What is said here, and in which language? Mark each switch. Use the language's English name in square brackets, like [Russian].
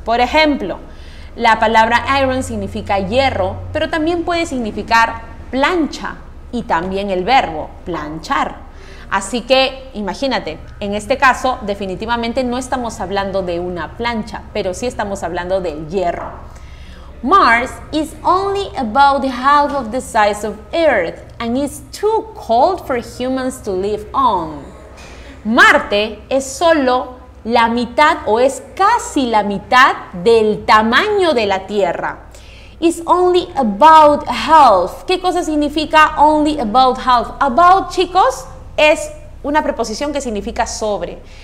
[Spanish] Por ejemplo, la palabra iron significa hierro, pero también puede significar plancha. Y también el verbo planchar. Así que imagínate, en este caso definitivamente no estamos hablando de una plancha, pero sí estamos hablando del hierro. [English] Mars is only about half of the size of Earth and is too cold for humans to live on. [Spanish] Marte es solo la mitad o es casi la mitad del tamaño de la Tierra. [English] Is only about half. [Spanish] ¿Qué cosa significa [English] only about half? [Spanish] About, chicos, es una preposición que significa sobre.